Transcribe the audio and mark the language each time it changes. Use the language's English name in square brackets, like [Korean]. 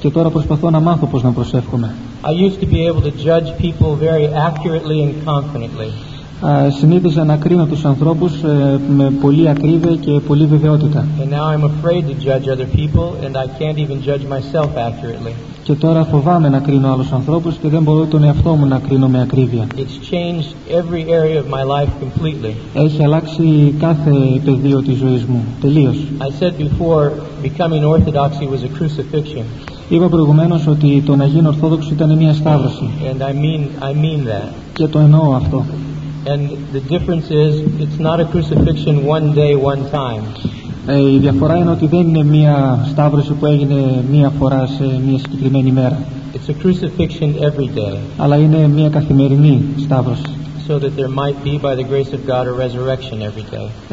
[Greek] Και τώρα προσπαθώ να μάθω πώς να προσεύχομαι. [English] I used to be able to judge people very accurately and confidently. [Greek] Συνήθιζα να κρίνω τους ανθρώπους με πολύ ακρίβεια και πολύ βεβαιότητα. [English] And now I'm afraid to judge other people and I can't even judge myself accurately. [Greek] Και τώρα φοβάμαι να κρίνω άλλους ανθρώπους και δεν μπορώ τον εαυτό μου να κρίνω με ακρίβεια. [English] It's changed every area of my life completely. [Greek] Έχει αλλάξει κάθε πεδίο της ζωής μου τελείως. [English] I said before becoming Orthodox was a crucifixion. [Greek] Είπα προηγουμένως ότι το να γίνω Ορθόδοξο ήταν μια σταύρωση. [English] And I mean that. [Greek] Και το εννοώ αυτό. [English] And the difference is, it's not a crucifixion one day, one time. [Greek] Η διαφορά είναι ότι δεν είναι μια σταύρωση που έγινε μια φορά σε μια συγκεκριμένη μέρα. [English] It's a crucifixion every day. [Greek] Αλλά είναι μια καθημερινή σταύρωση. [English] So that there might be, by the grace of God, a resurrection every day.